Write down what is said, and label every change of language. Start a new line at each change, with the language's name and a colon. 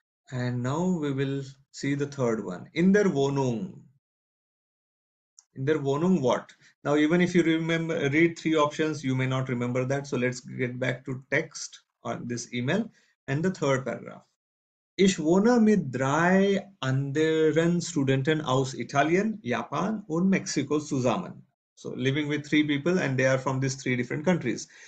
English: And now we will see the third one.
German: In der Wohnung.
English: In der Wohnung what? Now even if you remember, read three options, you may not remember that. So let's get back to text on this email. And the third paragraph.
German: Ich wohne mit drei anderen Studenten aus Italien, Japan und Mexiko zusammen.
English: So living with three people and they are from these three different countries.